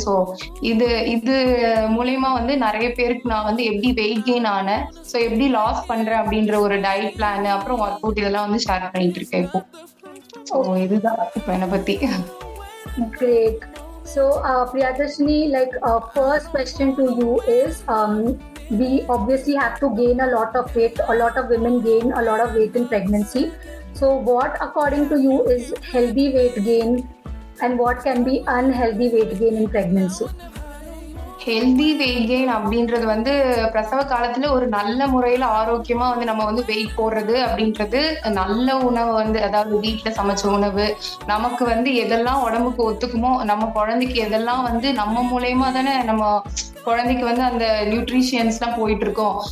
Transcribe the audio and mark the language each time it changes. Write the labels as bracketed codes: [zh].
[ta] So இது மூலமா வந்து நிறைய பேருக்கு நான் வந்து எப்படி வெயிட் கெயின் ஆனேன், ஸோ எப்படி லாஸ் பண்றேன் அப்படின்ற ஒரு டயட் பிளான், அப்புறம் ஒர்க் அவுட் இதெல்லாம் வந்து ஷேர் பண்ணிட்டு இருக்கேன் இப்போ. ஸோ இதுதான் இப்போ என்னை பத்தி. Great. [en] So Priyadarshini, like first question to you is, we obviously have to gain a lot of weight. A lot of women gain a lot of weight in pregnancy. So what according to you is healthy weight gain and what can be unhealthy weight gain in pregnancy? [ta] Healthy weight gain அப்படின்றது வந்து பிரசவ காலத்தில் ஒரு நல்ல முறையில் ஆரோக்கியமாக வந்து நம்ம வந்து வெயிட் போடுறது அப்படின்றது, நல்ல உணவு வந்து, அதாவது வீட்டில் சமைச்ச உணவு, நமக்கு வந்து எதெல்லாம் உடம்புக்கு ஒத்துக்குமோ, நம்ம குழந்தைக்கு எதெல்லாம் வந்து நம்ம மூலமா தானே நம்ம குழந்தைக்கு வந்து அந்த நியூட்ரிஷியன்ஸ்லாம் போயிட்டுருக்கோம்.